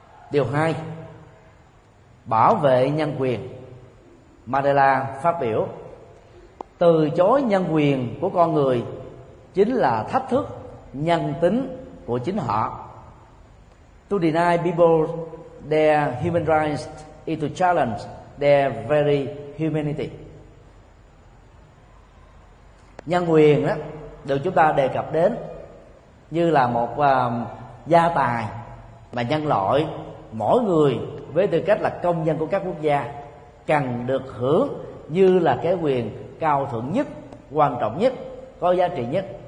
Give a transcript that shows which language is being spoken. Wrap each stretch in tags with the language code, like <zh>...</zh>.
<vi>Điều hai, bảo vệ nhân quyền. Mandela phát biểu: từ chối nhân quyền của con người chính là thách thức nhân tính của chính họ.</vi> <en>To deny people their human rights is to challenge their very humanity.</en> <vi>Nhân quyền đó được chúng ta đề cập đến như là một gia tài mà nhân loại mỗi người với tư cách là công dân của các quốc gia cần được hưởng, như là cái quyền cao thượng nhất, quan trọng nhất, có giá trị nhất.</vi>